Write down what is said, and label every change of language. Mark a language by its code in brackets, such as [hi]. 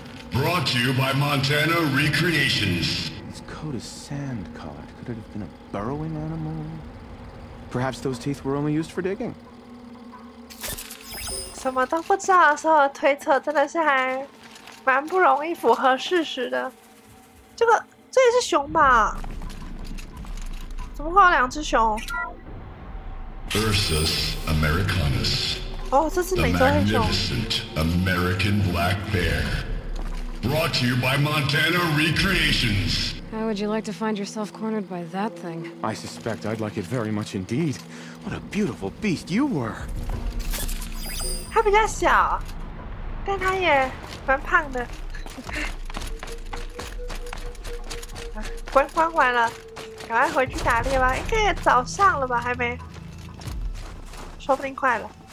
[en] Brought to you by Montana Recreations. Its coat is sand colored. Could it have been a burrowing animal? Perhaps those teeth were only used for digging. [zh] 什么都不知道的时候的推测真的是还蛮不容易符合事实的。这也是熊吧？怎么会有两只熊？ [en] Ursus Americanus. [zh] 哦，这是美洲黑熊。 [en] The magnificent American black bear, brought to you by Montana Recreations. How would you like to find yourself cornered by that thing? I suspect I'd like it very much indeed. What a beautiful beast you were. [zh] 它比较小，但它也蛮胖的。关完了，赶快回去打猎吧。应该也早上了吧？还没，说不定快了。